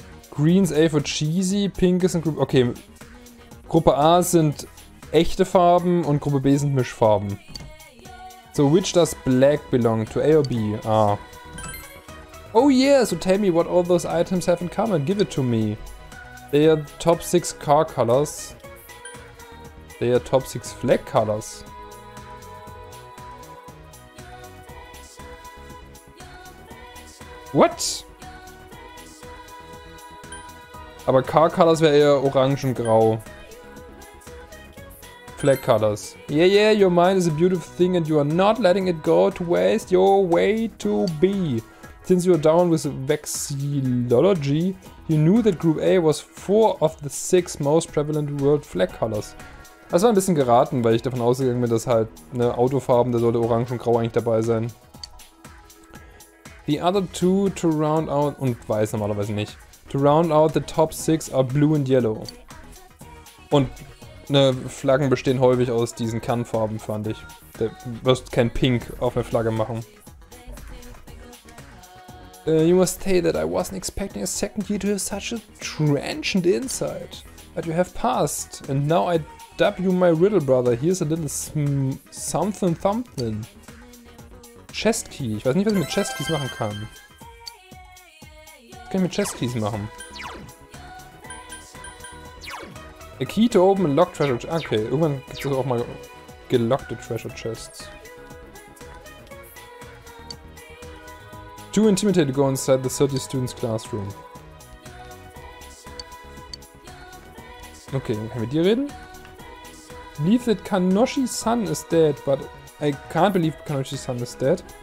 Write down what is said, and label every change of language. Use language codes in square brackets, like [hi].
[en] Green's A for cheesy, [de] pink ist in Gruppe... Okay, Gruppe A sind echte Farben und Gruppe B sind Mischfarben. [en] So, which does black belong to, A or B? Ah. Oh yeah, so tell me what all those items have in common. Give it to me. They are top 6 car colors. They are top 6 flag colors. What? [de] Aber Car Colors wäre eher orange und grau. [en] Flag Colors. Yeah, yeah, your mind is a beautiful thing and you are not letting it go to waste your way to be. Since you are down with vexillology, you knew that Group A was 4 of the 6 most prevalent world flag colors. [de] Das war ein bisschen geraten, weil ich davon ausgegangen bin, dass halt eine Autofarben, da sollte orange und grau eigentlich dabei sein. [en] The other two to round out, [de] und weiß normalerweise nicht. [en] To round out the top 6 are blue and yellow. [de] Und ne, Flaggen bestehen häufig aus diesen Kernfarben, fand ich. Du wirst kein Pink auf eine Flagge machen. [en] You must say that I wasn't expecting a second year to have such a transient insight. But you have passed, and now I dub you my riddle brother. Here's a little something something. Chest key. [de] Ich weiß nicht, was ich mit Chest keys machen kann. Was kann ich mit Chest Keys machen? [en] A key to open a locked treasure chest. [de] Okay, irgendwann gibt es auch mal gelockte treasure chests. [en] Too intimidated to go inside the 30 students classroom. [de] Okay, können wir dir reden? [en] Believe that Kanoshi-san is dead, but I can't believe Kanoshi-san is dead.